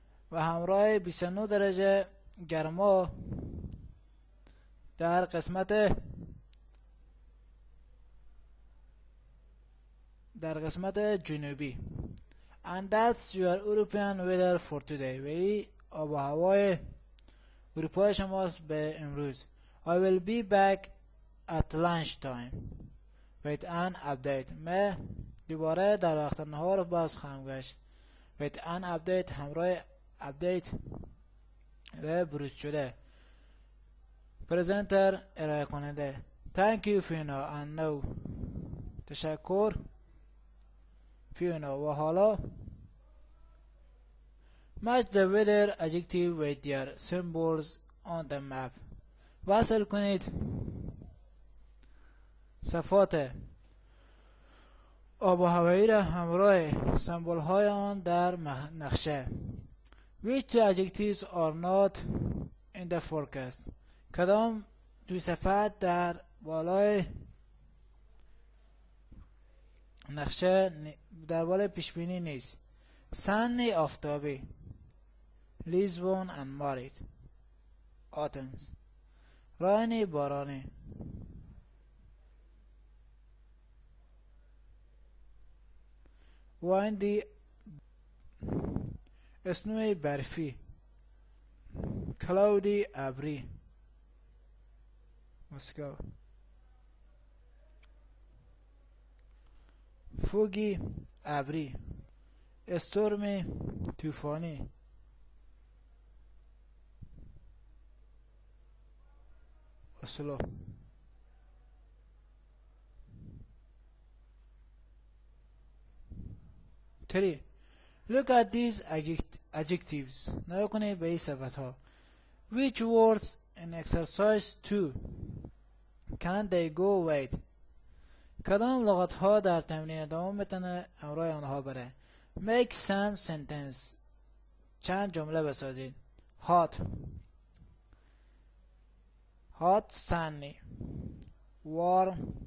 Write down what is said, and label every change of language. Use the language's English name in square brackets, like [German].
[Persian] و همراه 29 درجه گرما در قسمت جنوبی. [English] And that's your European weather for today. [Persian] و ای آب و هوای اروپا شماست به امروز. [English] I will be back at lunch time with an update. [Persian] من دوباره در وقت نهار باز خواهم گشت. [English] With an update [Persian] همراه اپدیت و بروز شده. [English] presenter [Persian] ارائه کننده. [English] Thank you Fiona and now. [Persian] تشکر Fiona و حالا. [English] Match the weather adjective with their symbols on the map. [Persian] وصل کنید صفات آب و هوایی را همراه سمبول های آن در نقشه. [English] Which two adjectives are not in the forecast? [Persian] کدام دو صفت در بالای نقشه در بالای پیشبینی نیست. [English] Sunny آفتابی Lisbon and Madrid Athens. Rainy بارانی windy snowy برفی کلاودی ابری مسکو فوگی ابری استورمی طوفانی اسلو تری. Look at these adjectives. [Persian] نگاه کنید به این صفت‌ها. [English] Which words in exercise 2 can they go with? [Persian] کدام لغت‌ها در تمرین دوم می‌تونه همراه آنها بره؟ [English] Make some sentence. [Persian] چند جمله بسازید. Hot. [English] Hot sunny. Warm.